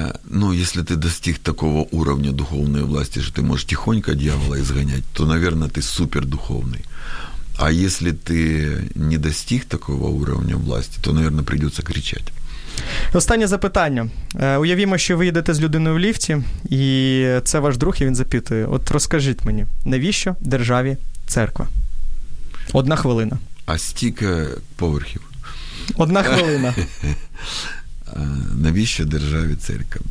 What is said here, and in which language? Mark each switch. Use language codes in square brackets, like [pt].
[uk] Ну, якщо ти достиг такого рівня духовної власті, що ти можеш тихонько дьявола ізганяти, то, мабуть, ти супердуховний. [ru] А если ты не достиг такого уровня власти, то, наверное, придется кричать. [uk] Останнє запитання. Уявімо, що ви їдете з людиною в ліфті, і це ваш друг, і він запитує. От розкажіть мені, навіщо державі церква? Одна хвилина. А стільки поверхів? Одна хвилина. Навіщо державі церква?